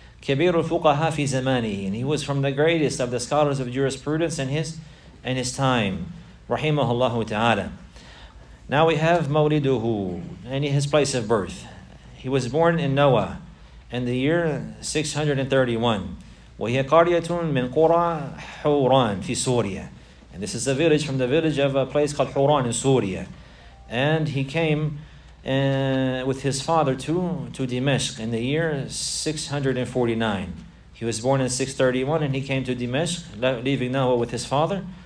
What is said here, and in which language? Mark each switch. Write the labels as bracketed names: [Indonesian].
[Arabic] Kabir al-Fuqaha fi zamanihi. [English] And he was from the greatest of the scholars of jurisprudence in his time. Rahimahullahu ta'ala. Now we have Mawliduhu, and his place of birth. He was born in Nawa in the year 631. [Arabic] وهي قريةٌ من قرى حوران في سوريا. [English] And this is a village from the village of a place called Huran in Syria. And he came with his father to Dimashq in the year 649. He was born in 631 and he came to Dimashq, leaving Nawa with his father.